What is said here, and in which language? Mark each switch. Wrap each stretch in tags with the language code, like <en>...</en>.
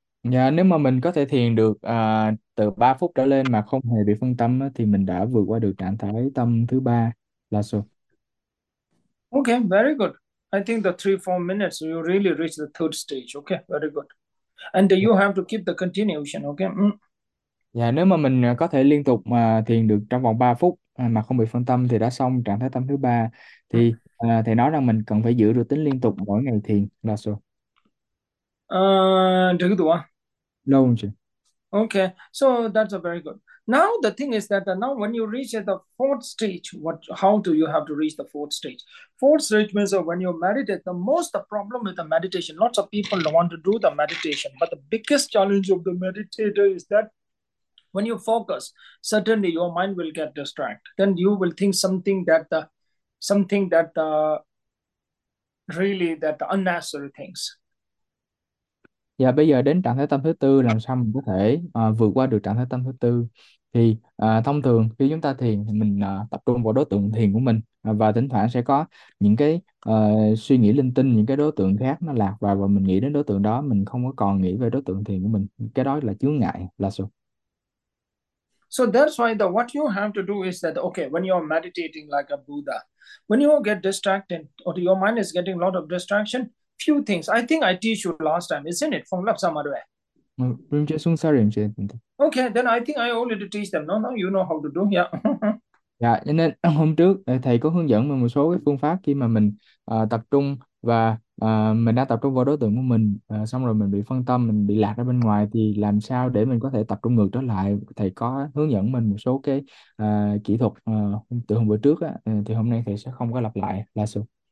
<vi>Dạ, nếu mà mình có thể thiền được từ 3 phút trở lên mà không hề bị phân tâm á, thì mình đã vượt qua được trạng thái tâm thứ ba là số.</vi> <en>Okay, very good. I think the 3 4 minutes you really reach the third stage. Okay, very good. And you have to keep the continuation. Okay.</en> <vi>Dạ, nếu mà mình có thể liên tục mà thiền được trong vòng 3 phút mà không bị phân tâm thì đã xong trạng thái tâm thứ ba, thì thầy nói rằng mình cần phải giữ được tính liên tục mỗi ngày thiền là số. Được rồi. Lâu chứ.</vi> <en>Okay, so that's a very good. Now the thing is that now when you reach the fourth stage, what how do you have to reach the fourth stage? Fourth stage means when you meditate, the most problem with the meditation, lots of people don't want to do the meditation, but the biggest challenge of the meditator is that when you focus, suddenly your mind will get distracted. Then you will think something that really that the unnecessary things.</en> <vi>Dạ, bây giờ đến trạng thái tâm thứ tư, làm sao mình có thể vượt qua được trạng thái tâm thứ tư? Thì thông thường khi chúng ta thiền thì mình tập trung vào đối tượng thiền của mình, và thỉnh thoảng sẽ có những cái suy nghĩ linh tinh, những cái đối tượng khác nó lạc vào và mình nghĩ đến đối tượng đó, mình không có còn nghĩ về đối tượng thiền của mình. Cái đó là chướng ngại, là sự.</vi> <en>So that's why the what you have to do is that okay, when you're meditating like a Buddha, when you get distracted or your mind is getting a lot of distraction, few things. I think I teach you last time, isn't it? From Lhasa Rinpoche. okay, then I think I already teach them. No, you know how to do.</en> <vi>Dạ, cho nên hôm trước thầy có hướng dẫn mình một số cái phương pháp khi mà mình tập trung và mình đã tập trung vào đối tượng của mình, xong rồi mình bị phân tâm, mình bị lạc ra bên ngoài, thì làm sao để mình có thể tập trung ngược trở lại. Thầy có hướng dẫn mình một số cái kỹ thuật từ hôm bữa trước á, thì hôm nay thầy sẽ không có lặp lại là sự.</vi>